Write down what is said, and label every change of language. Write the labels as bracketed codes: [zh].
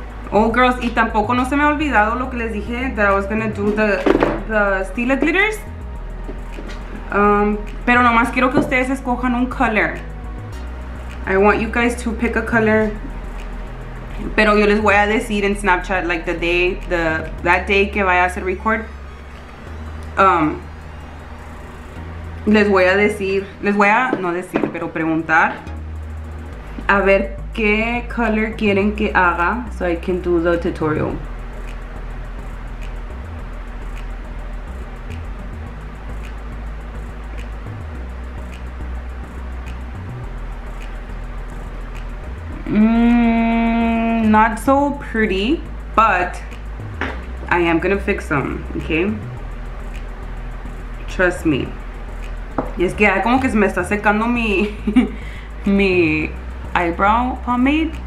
[en] Oh girls, [es] y tampoco no se me ha olvidado lo que les dije, [en] that I was gonna do the Stila glitters. [es] Pero nomás quiero que ustedes escojan un color. [en] I want you guys to pick a color. [es] Pero yo les voy a decir en Snapchat, [en] like that day [es] que vaya a hacer record. Preguntar. A ver. ¿Qué color quieren que haga? [en] So I can do the tutorial. Not so pretty, but I am gonna fix them, okay? Trust me. [es] Y es que ya como que se me está secando mi eyebrow pomade.